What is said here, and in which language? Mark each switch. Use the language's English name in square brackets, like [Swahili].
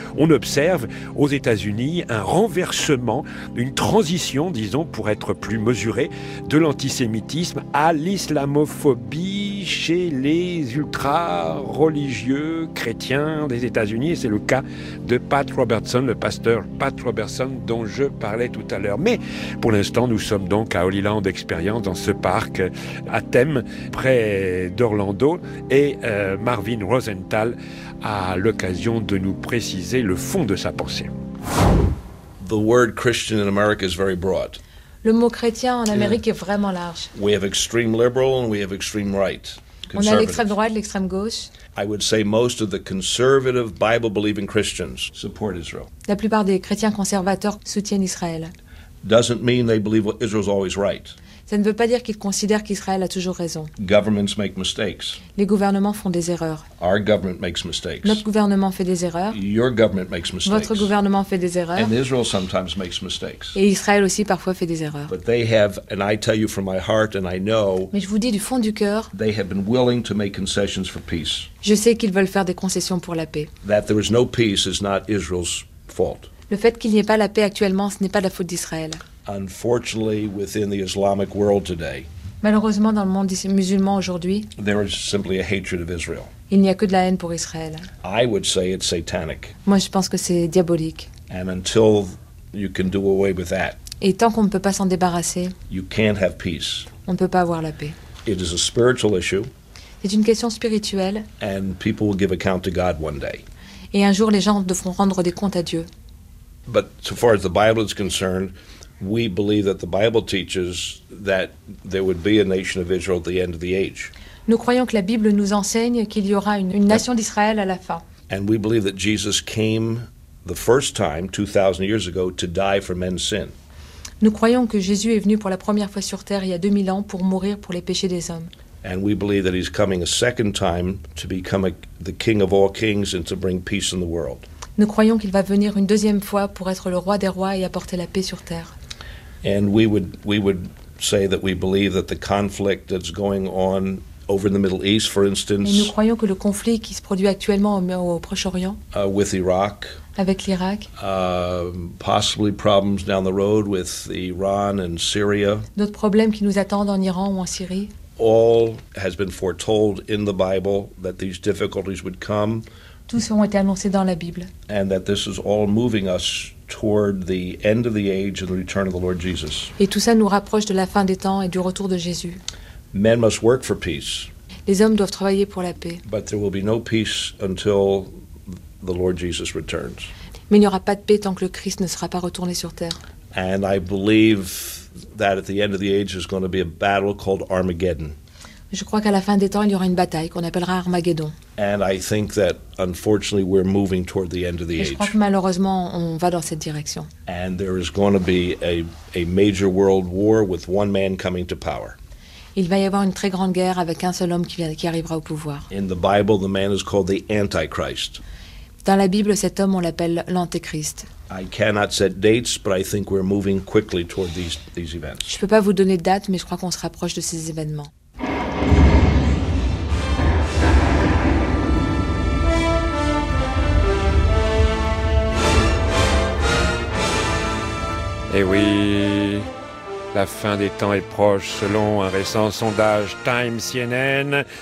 [French] On observe aux États-Unis un renversement, une transition, disons, pour être plus mesuré, de l'antisémitisme à l'islamophobie chez les ultra-religieux chrétiens des États-Unis. Et c'est le cas de Pat Robertson, le pasteur Pat Robertson, dont je parlais tout à l'heure. Mais pour l'instant, nous sommes donc à Holy Land Experience, dans ce parc à thème, près d'Orlando. Et Marvin Rosenthal a l'occasion de nous préciser le fond de sa pensée. [English] The word Christian in America is very broad. [French] Le mot chrétien en Amérique est vraiment large. [English] We have extreme liberal and we have extreme right. [French] On a l'extrême droite et l'extrême gauche. [English] I would say most of the conservative Bible believing Christians support Israel. [French] La plupart des chrétiens conservateurs soutiennent Israël. [English] doesn't mean they believe Israel's always right. [French] Ça ne veut pas dire qu'ils considèrent qu'Israël a toujours raison. [English] Governments make mistakes. [French] Les gouvernements font des erreurs. [English] Our government makes mistakes. [French] Notre gouvernement fait des erreurs. [English] Your government makes mistakes. [French] Votre gouvernement fait des erreurs. [English] And Israel sometimes makes mistakes. [French] Et Israël aussi parfois fait des erreurs. [English] But they have, and I tell you from my heart, and I know. [French] Mais je vous dis du fond du cœur. [English] They have been willing to make concessions for peace. [French] Je sais qu'ils veulent faire des concessions pour la paix. [English] That there is no peace is not Israel's fault. [French] Le fait qu'il n'y ait pas la paix actuellement, ce n'est pas la faute d'Israël. [English] Unfortunately, within the Islamic world today, [French] malheureusement dans le monde musulman aujourd'hui, [English] there is simply a hatred of Israel. [French] Il n'y a que de la haine pour Israël. [English] I would say it's satanic. [French] Moi, je pense que c'est diabolique. [English] And until you can do away with that, [French] et tant qu'on ne peut pas s'en débarrasser, [English] you can't have peace. [French] On ne peut pas avoir la paix. [English] It is a spiritual issue. [French] C'est une question spirituelle. [English] And people will give account to God one day. [French] Et un jour, les gens devront rendre des comptes à Dieu. [English] But so far as the Bible is concerned, we believe that the Bible teaches that there would be a nation of Israel at the end of the age. [French] Nous croyons que la Bible nous enseigne qu'il y aura une nation d'Israël à la fin. [English] And we believe that Jesus came the first time 2000 years ago to die for men's sin. [French] Nous croyons que Jésus est venu pour la première fois sur terre il y a 2000 ans pour mourir pour les péchés des hommes. [English] And we believe that he's coming a second time to become the king of all kings and to bring peace in the world. [French] Nous croyons qu'il va venir une deuxième fois pour être le roi des rois et apporter la paix sur terre. [English] And we would say that we believe that the conflict that's going on over in the Middle East, for instance. [French] Et nous croyons que le conflit qui se produit actuellement au Proche-Orient. [English] With Iraq. [French] Avec l'Irak. [English] Possibly problems down the road with Iran and Syria. [French] D'autres problèmes qui nous attendent en Iran ou en Syrie. [English] All has been foretold in the Bible that these difficulties would come. [French] Tous ont été annoncés dans la Bible. [English] And that this is all moving us toward the end of the age and the return of the Lord Jesus. [French] Et tout ça nous rapproche de la fin des temps et du retour de Jésus. [English] Men must work for peace. [French] Les hommes doivent travailler pour la paix. [English] But there will be no peace until the Lord Jesus returns. [French] Mais il n'y aura pas de paix tant que le Christ ne sera pas retourné sur terre. [English] And I believe that at the end of the age is going to be a battle called Armageddon. [French] Je crois qu'à la fin des temps, il y aura une bataille qu'on appellera Armageddon. [English] And I think that unfortunately we're moving toward the end of the [French] Et je [English] age. [French] Crois que malheureusement, on va dans cette direction. [English] And there is going to be a major world war with one man coming to power. [French] Il va y avoir une très grande guerre avec un seul homme qui arrivera au pouvoir. [English] In the Bible, the man is called the Antichrist. [French] Dans la Bible, cet homme, on l'appelle l'Antéchrist. [English] I cannot set dates, but I think we're moving quickly toward these events. [French] Je peux pas vous donner de date, mais je crois qu'on se rapproche de ces événements. Eh oui, la fin des temps est proche selon un récent sondage Time CNN.